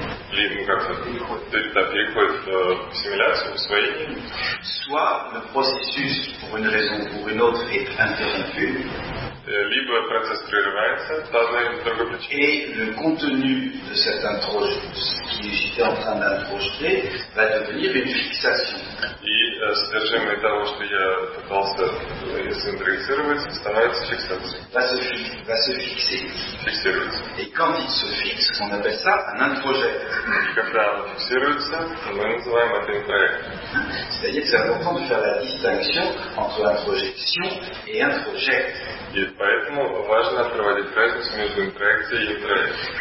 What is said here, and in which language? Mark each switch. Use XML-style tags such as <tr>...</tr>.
<ru>переходит в симуляцию, в усвоение.</ru> <fr>Soit le processus pour une raison ou une autre est interrompu.</fr> <ru>Либо процесс прерывается по одной или другой причине.</ru> <fr>Et le contenu de cette introjection, ce que j'étais en train d'introjeter, va devenir une fixation.</fr> <ru>И содержимое того, что я пытался синтроизировать, становится фиксацией.</ru> <fr>Va se fixer.</fr> <ru>Фиксируется.</ru> <fr>Et quand il se fixe, on appelle ça un introjet.</fr> <ru>Когда он фиксируется, мы называем это интроект.</ru> <fr>C'est-à-dire que c'est important de faire la distinction entre introjection et introject.</fr> <ru>И поэтому важно проводить разницу между интроекцией и интроектом.</ru>